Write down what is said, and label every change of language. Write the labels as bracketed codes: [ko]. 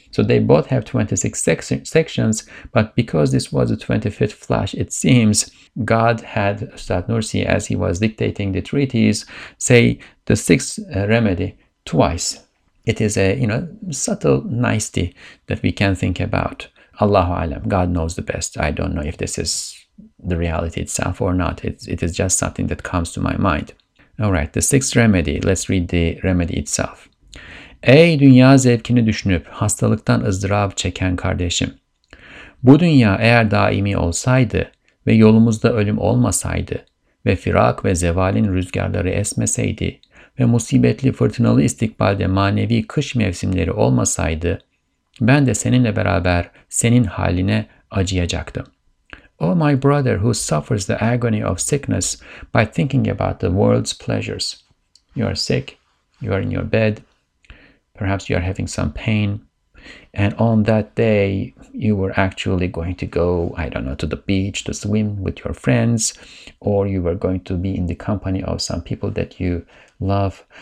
[en] So they both have 26 sections. But because this was the 25th flash, it seems God had Üstad Nursi, as he was dictating the treatise, say the sixth remedy twice. It is a, you know, subtle nicety that we can think about. [ar] Allahu alam, [en] God knows the best. I don't know if this is the reality itself or not. It is just something that comes to my mind. All right, the sixth remedy. Let's read the remedy itself. [tr] Ey dünya zevkini düşünüp hastalıktan ızdırap çeken kardeşim. Bu dünya eğer daimi olsaydı ve yolumuzda ölüm olmasaydı ve firak ve zevalin rüzgarları esmeseydi ve musibetli fırtınalı istikbalde manevi kış mevsimleri olmasaydı, ben de seninle beraber senin haline acıyacaktım. [en] O my brother who suffers the agony of sickness by thinking about the world's pleasures. You are sick, you are in your bed, perhaps you are having some pain, and on that day you were actually going to go, I don't know, to the beach to swim with your friends, or you were going to be in the company of some people that you love.